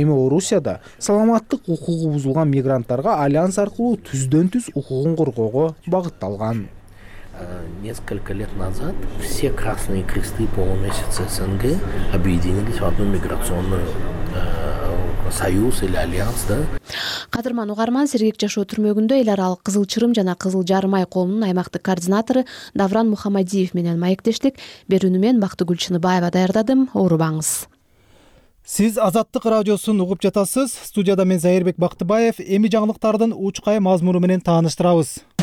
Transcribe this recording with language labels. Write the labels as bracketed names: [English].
[Kyrgyz] Ал эми Орусияда саламаттык укугу бузулган мигранттарга альянс аркылуу түздөн түз укугун коргоого багытталган. [Russian] Несколько лет назад все красные кресты полумесяца СНГ объединились в одну миграционную союз или альянс, да? [Kyrgyz] Кадырман Угарман сергек жашоо түрмөгүндө эл аралык кызыл чырым жана кызыл жармай коомунун аймактык координатору Давран Мухамадиев менен маектештик. Берүүнү мен Бактыгүл Чыныбаева даярдадым. Оорубаңыз. Сиз Азаттык радиосун угуп жатасыз. Студияда мен Зайырбек Бактыбаев эми жаңылыктардын учкай мазмуну менен тааныштырабыз.